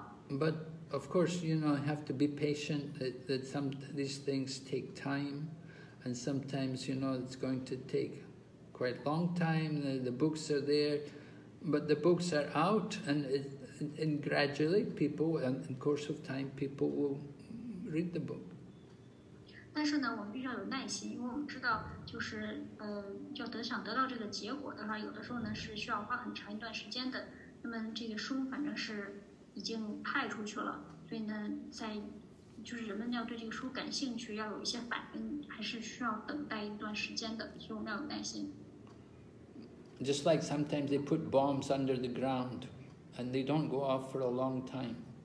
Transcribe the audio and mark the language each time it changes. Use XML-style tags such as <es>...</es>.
<en>But of course, you know, you have to be patient that some these things take time, and sometimes, you know, it's going to take quite long time. The books are there. But the books are out, and gradually people, and in the course of time, people will read the book.</en> <zh>但是呢，我们必须要有耐心，因为我们知道，就是要想得到这个结果的话，有的时候呢是需要花很长一段时间的。那么这个书反正是已经派出去了，所以呢，在就是人们要对这个书感兴趣，要有一些反应，还是需要等待一段时间的，所以我们要有耐心。</zh> <en>Just like sometimes they put bombs under the ground and they don't go off for a long time.</en>